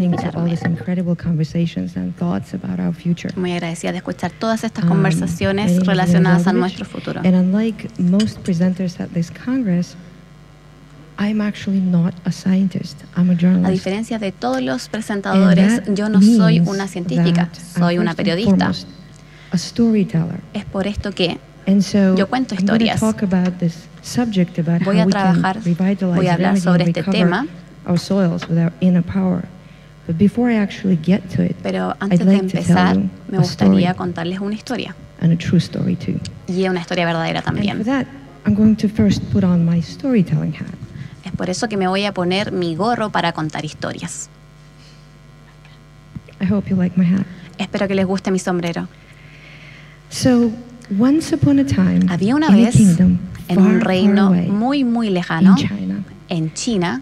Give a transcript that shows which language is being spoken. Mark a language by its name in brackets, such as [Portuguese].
[Spanish] invitarme. [English] And listening to all these incredible conversations and thoughts about our future. [Spanish] Muy agradecida de escuchar todas estas conversaciones relacionadas a nuestro futuro. [English] And unlike most presenters at this Congress, I'm actually not a scientist. I'm a journalist. [Spanish] A diferencia de todos los presentadores, yo no soy una científica, soy una periodista. [English] A storyteller. [Spanish] Es por esto que yo cuento historias. [English] I'm going to talk about this subject about [Spanish] voy a trabajar, voy a hablar sobre este tema. [English] Our soils with our inner power. But before I actually get to it, [Spanish] pero antes [English] I'd like [Spanish] de empezar, me gustaría contarles una historia. [English] And a true story too. [Spanish] Y una historia verdadera también. [English] And for that, I'm going to first put on my storytelling hat. [Spanish] Es por eso que me voy a poner mi gorro para contar historias. [English] I hope you like my hat. [Spanish] Espero que les guste mi sombrero. [English] So, once upon a time, [Spanish] había una vez, en un reino muy, muy lejano, en China,